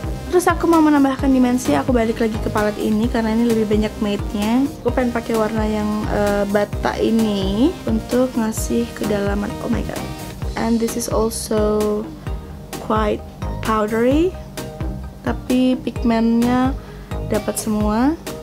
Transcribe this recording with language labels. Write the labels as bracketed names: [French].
[Indonesian] Terus aku mau menambahkan dimensi, aku balik lagi ke palet ini karena ini lebih banyak matte-nya. Aku pengen pakai warna yang bata ini untuk ngasih kedalaman. [English] Oh my god. And this is also quite powdery. [Indonesian] Tapi pigmentnya dapat semua.